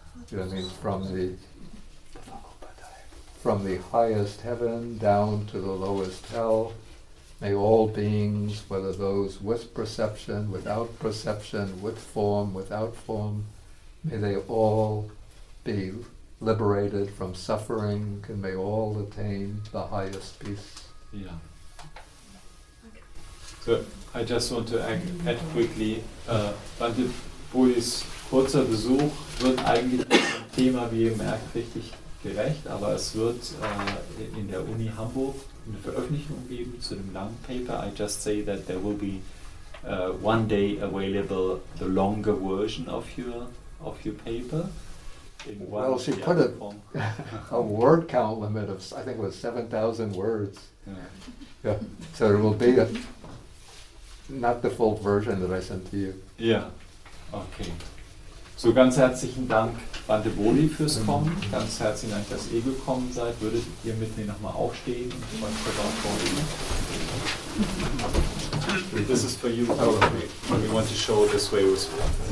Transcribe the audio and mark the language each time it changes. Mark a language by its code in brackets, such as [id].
[en] You mean from the highest heaven down to the lowest hell, may all beings, whether those with perception, without perception, with form, without form, may they all be liberated from suffering and may all attain the highest peace. Yeah. [de] So I just want to add quickly, Bhante Bhulis kurzer Besuch wird eigentlich dem Thema, wie ihr merkt, richtig gerecht, aber es wird in der Uni Hamburg eine Veröffentlichung geben zu dem langen Paper. [en] I just say that there will be one day available the longer version of your paper. Well, she put a word count limit of, I think it was 7,000 words. Yeah. Yeah. So it will be not the full version that I sent to you. [de] Yeah. Okay. So ganz herzlichen Dank, Bhante Bhuli, fürs Kommen. Mm-hmm. Ganz herzlichen Dank, dass ihr gekommen seid. Würdet ihr mit mir nochmal aufstehen und euch vorlegen? [en] This is for you. We want to show this way with you.